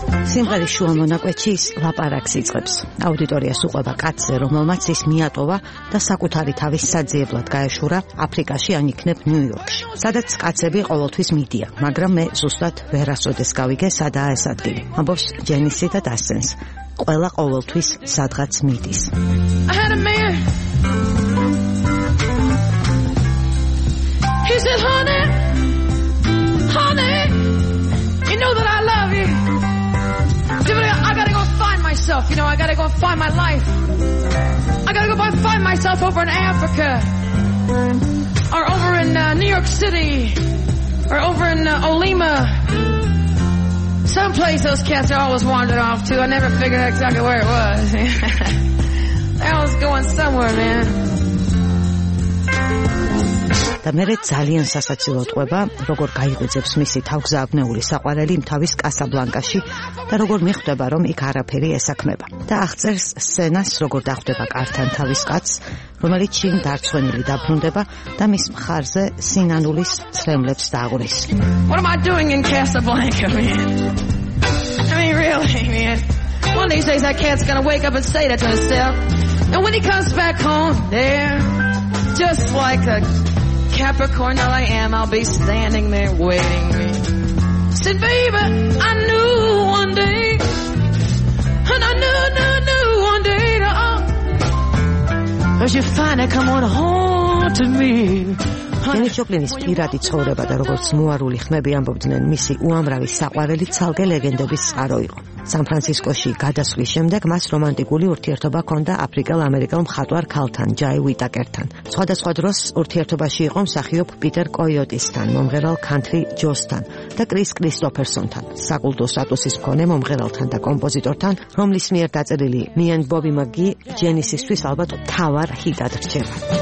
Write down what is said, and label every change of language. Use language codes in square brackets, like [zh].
[ka] სიმღერის შუა მონაკვეთში ის ლაპარაკს იწყებს. აუდიტორიას უყვება კაცზე, რომელმაც ის მიატოვა და საკუთარი თავის საძიებლად გაეშურა აფრიკაში ან იქნებ ნიუ-იორკში, სადაც კაცები ყოველთვის მიდიან. მაგრამ მე ზუსტად ვერასოდეს გავიგე, სადაა ეს ადგილი. ამბობს ჯენისი და დასენს. ყველა ყოველთვის სადღაც მიდის. [en] He said, honey, honey, you know that I love you. I gotta go find myself, you know, I gotta go find my life. I gotta go find myself over in Africa, or over in New York City, or over in Olima. Someplace those cats are always wandering off to. I never figured out exactly where it was. They're always going somewhere, man. [ka] და მე ძალიან სასაცილოდ ყვება, როგორ გაიგვიძებს მისი თავგზაბნეული საყვარელი თავის კასაბლანკაში და როგორ მიხვდება, რომ იქ არაფერი ესაქმება. და აღწერს სცენას, როგორ დახვდება კართან თავის კაცს, რომელიც შინ დარწმუნებული დაბრუნდება და მის მხარზე სინანულის ცრემლებს დააგურის. [en] What am I doing in Casablanca, man? I mean, really, man. One of these days that cat's gonna wake up and say that to himself. And when he comes back home there, just like a Capricorn that I am, I'll be standing there waiting. Said, baby, I knew one day, and I knew one day, but you finally come on home to me. [ka] ენი ჯოპლინის პირადი ცხოვრება და როგორც მოარული ხმები ამბობდნენ, მისი უამრავი საყვარელი ცალკე ლეგენდების წყარო იყო. სან ფრანცისკოში გადასვლის შემდეგ მას რომანტიკული ურთიერთობა ჰქონდა აფრიკელ ამერიკელ მხატვარ ქალთან, ჯაი ვიტაკერთან. სხვადასხვა დროს ურთიერთობაში იყო მსახიობ პიტერ კოიოტისთან, მომღერალ ქანთრი ჯოსთან და კრის კრისტოფერსონთან, საკულტო სტატუსის მქონე მომღერალთან და კომპოზიტორთან, რომლის მიერ დაწერილი მი ენ ბობი მაგი ჯენისისთვის ალბათ მთავარ ჰიტად რჩება.